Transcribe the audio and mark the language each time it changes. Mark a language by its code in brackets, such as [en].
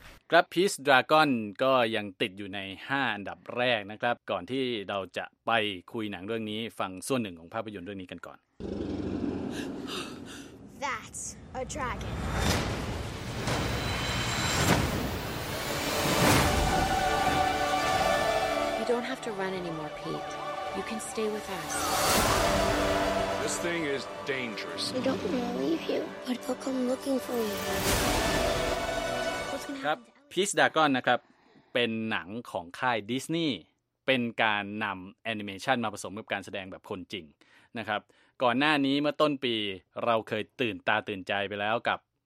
[th] ครับ Peace Dragon ก็ยังติดอยู่ใน5 อันดับแรกนะครับก่อนที่เราจะไปคุยหนังเรื่องนี้ฟังส่วนหนึ่งของภาพยนตร์เรื่องนี้กันก่อน [en] That's a dragonYou don't have to run anymore, Pete. You can stay with us. This thing is dangerous. We don't want to leave you, but they'll come looking for you. [th] ครับ Peace Dragon นะครับเป็นหนังของค่ายดิสนีย์เป็นการนำแอนิเมชันมาผสมกับการแสดงแบบคนจริงนะครับก่อนหน้านี้เมื่อต้นปีเราเคยตื่นตาตื่นใจไปแล้วกับ